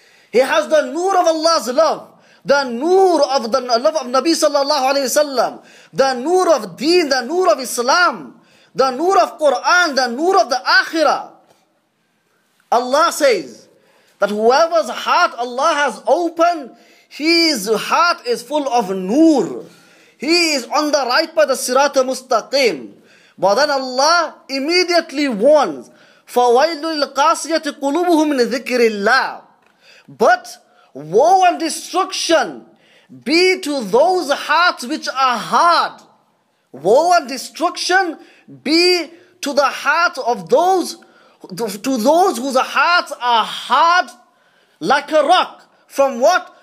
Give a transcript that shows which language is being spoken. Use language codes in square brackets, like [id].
[en] He has the nur of Allah's love, the nur of the love of Nabi sallallahu alayhi wa sallam, the nur of deen, the nur of Islam, the nur of Quran, the nur of the akhirah. Allah says that whoever's heart Allah has opened, his heart is full of nur. He is on the right by the sirat mustaqim. But then Allah immediately warns, [ar] فَوَيْلُ الْقَاسِيَةِ قُلُوبُهُمْ مِنْ ذِكْرِ اللَّهِ. [en] But woe and destruction be to those hearts which are hard. Woe and destruction be to the hearts of those, to those whose hearts are hard like a rock. From what?